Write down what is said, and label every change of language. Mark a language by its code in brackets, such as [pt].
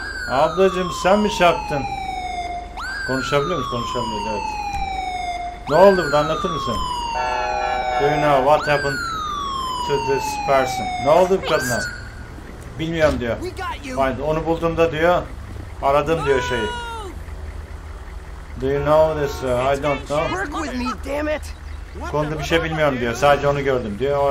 [tr] Ablacığım sen mi çarptın? Konuşabiliyor musun? Konuşabiliyor, evet. Ne oldu burada, anlatır mısın? [en] Do you know what happened to this person? [tr] Ne oldu bu kadına? Bilmiyorum diyor. Onu bulduğumda diyor, aradım diyor şeyi. [en] Do you know this? I don't know. [tr] Konuda bir şey bilmiyorum diyor. Sadece onu gördüm diyor.